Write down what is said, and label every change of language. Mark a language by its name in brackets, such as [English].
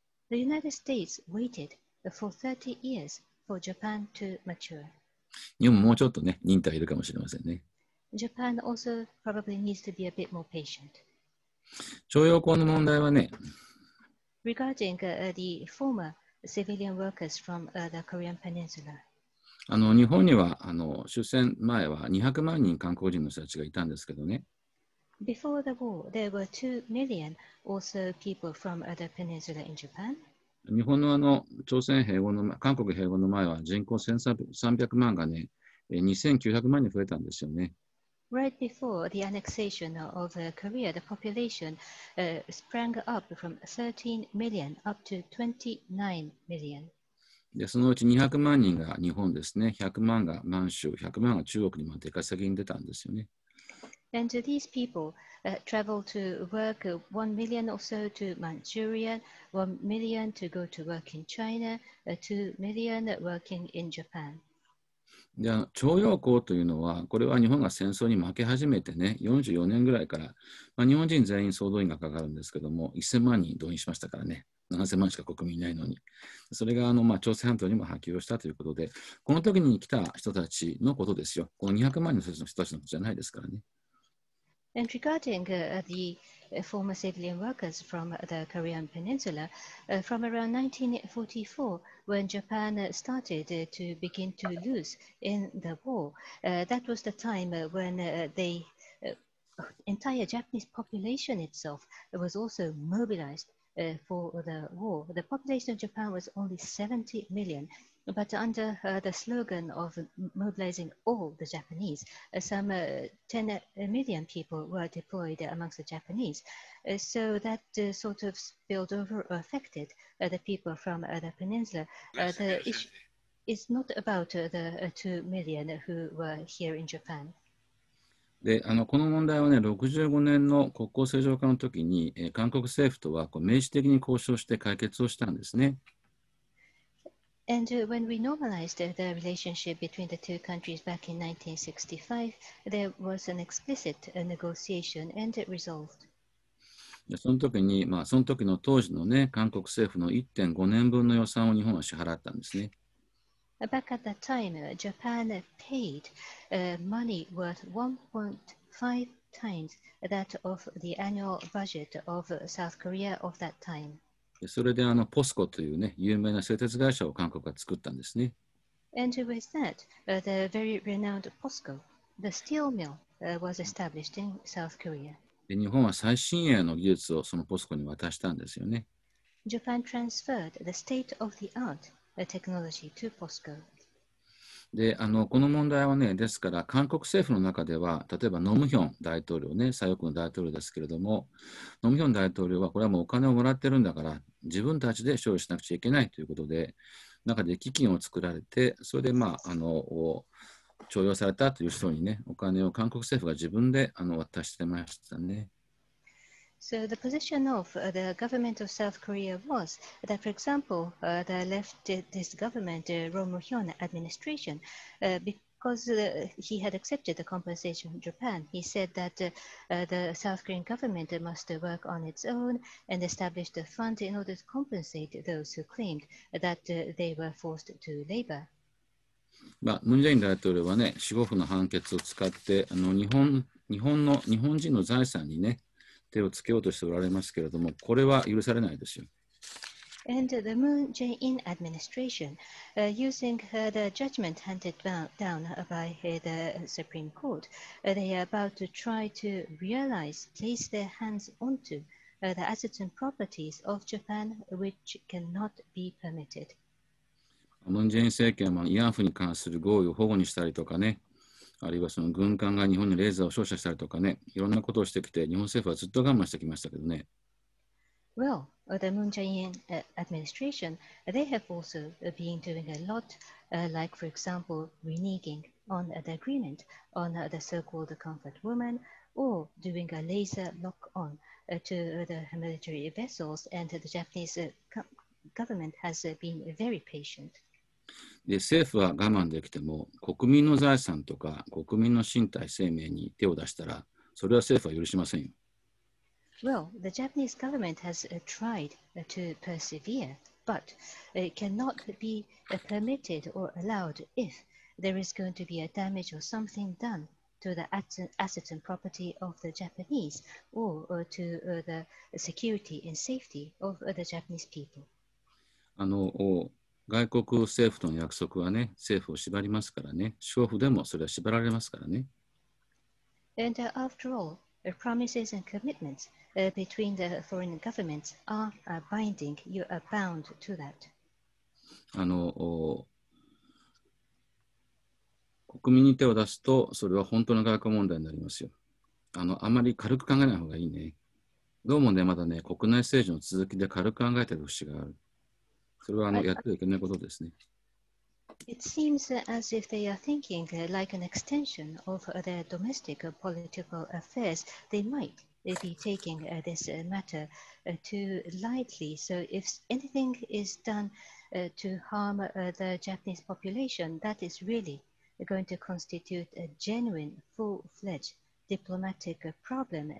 [English] The United States waited for 30 years for Japan to mature. [Japanese] 日本ももうちょっとね、忍耐いるかもしれませんね。 [English] Japan also probably needs to be a bit more patient. [Japanese] 徴用工の問題はね、 [English] Regarding the former civilian workers from the Korean Peninsula. [Japanese] 日本には終戦前は200万人韓国人の人たちがいたんですけどね。 [English] Before the war, there were 2 million also people from the peninsula in Japan. [Japanese] 日本の朝鮮併合の韓国併合の前は人口1300万がね、2900万に増えたんですよね。 [English] Right before the annexation of Korea, the population sprang up from 13 million up to 29 million. [Japanese] で、そのうち200万人が日本ですね、100万が満州、100万が中国にまで出稼ぎに出たんですよね。 [English] And these people traveled to work 1 million or so to Manchuria, 1 million to go to work in China, 2 million working in Japan. [Japanese] で徴用工というのは、これは日本が戦争に負け始めてね、44年ぐらいから、まあ、日本人全員総動員がかかるんですけども、1000万人動員しましたからね、7000万しか国民いないのに、それがまあ、朝鮮半島にも波及をしたということで、この時に来た人たちのことですよ、この200万人の人たちのことじゃないですからね。 [English] And regarding the former civilian workers from the Korean Peninsula, from around 1944, when Japan started to begin to lose in the war, that was the time when the entire Japanese population itself was also mobilized for the war. The population of Japan was only 70 million. But under the slogan of mobilizing all the Japanese, some 10 million people were deployed amongst the Japanese. So that sort of spilled over or affected the people from the peninsula. The issue is not about the 2 million who were here in Japan. [Japanese] で、この問題はね、65年の国交正常化の時に、韓国政府とはこう明示的に交渉して解決をしたんですね。 [English] And when we normalized the relationship between the two countries back in 1965, there was an explicit negotiation and it resolved. [Japanese] その時に、まあ、その時の当時のね、韓国政府の 1.5 年分の予算を日本は支払ったんですね。 [English] Back at that time, Japan paid money worth 1.5 times that of the annual budget of South Korea of that time. [Japanese] それでPOSCOというね、有名な製鉄会社を韓国が作ったんですね。 [English] And with that, the very renowned POSCO, the steel mill, was established in South Korea. [Japanese] で、日本は最新鋭の技術をそのPOSCOに渡したんですよね。 [English] Japan transferred the state-of-the-art technology to POSCO. [Japanese] で、この問題はね、ですから韓国政府の中では、例えばノムヒョン大統領ね、左翼の大統領ですけれども、ノムヒョン大統領はこれはもうお金をもらってるんだから、自分たちで処理しなくちゃいけないということで、中で基金を作られて、それで、まあ、徴用されたという人にね、お金を韓国政府が自分で渡してましたね。 [English] So the position of the government of South Korea was that, for example, the leftist government, Roh Moo-hyun administration, because he had accepted the compensation from Japan, he said that the South Korean government must work on its own and establish the fund in order to compensate those who claimed that they were forced to labor. [Japanese] まあ、ムン・ジェイン大統領はね、司法府の判決を使って日本人の財産にね、手をつけようとしておられますけれども、これは許されないですよ。 [English] And the Moon Jae-in administration, using the judgment handed down by the Supreme Court, they are about to try to realize, place their hands onto the assets and properties of Japan, which cannot be permitted. [Japanese] ムン・ジェイン政権は慰安婦に関する合意を保護にしたりとかね、あるいはその軍艦が日本にレーザーを照射したりとかね、いろんなことをしてきて、日本政府はずっと我慢してきましたけどね。 [English] Well, the Moon Jae-in administration, they have also been doing a lot, like, for example, reneging on the agreement on the so-called comfort women, or doing a laser lock-on to the military vessels, and the Japanese government has been very patient. [Japanese] で政府は我慢できても国民の財産とか国民の身体生命に手を出したらそれは政府は許しませんよ。 [English] Well, the Japanese government has tried to persevere, but it cannot be permitted or allowed if there is going to be a damage or something done to the assets and property of the Japanese or to the security and safety of the Japanese people. [Japanese] 外国政府との約束はね、政府を縛りますからね。政府でもそれは縛られますからね。 [English] And after all, promises and commitments between the foreign governments are binding. You are bound to that. [Japanese] 国民に手を出すと、それは本当の外交問題になりますよ。あまり軽く考えない方がいいね。どうもね、まだね、国内政治の続きで軽く考えてる節がある。それはやってはいけないことですね。 [English] It seems as if they are thinking like an extension of their domestic political affairs. They might be taking this matter too lightly. So if anything is done to harm the Japanese population, that is really going to constitute a genuine, full-fledged diplomatic problem.